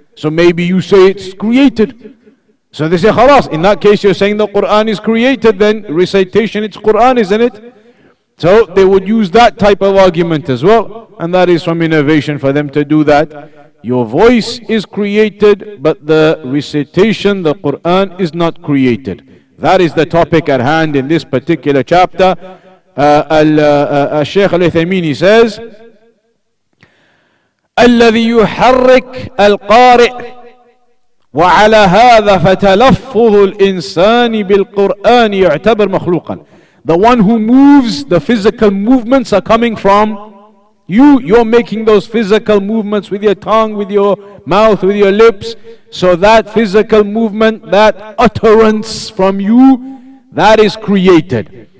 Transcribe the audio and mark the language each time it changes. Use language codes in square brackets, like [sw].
[en] So maybe you say it's created. So they say, khalas, in that case you're saying the Qur'an is created then, recitation, it's Qur'an, isn't it? So they would use that type of argument as well, and that is from innovation for them to do that. Your voice is created, but the recitation, the Qur'an, is not created. That is the topic at hand in this particular chapter. [ar] Al-Shaykh Al-Uthaymeeni says, الَّذِي يُحَرِّكَ الْقَارِئِ وعلى هذا فتلفظ الإنسان بالقرآن يعتبر مخلوقا. [en] The one who moves, the physical movements are coming from you. You're making those physical movements with your tongue, with your mouth, with your lips. So that physical movement, that utterance from you, that is created.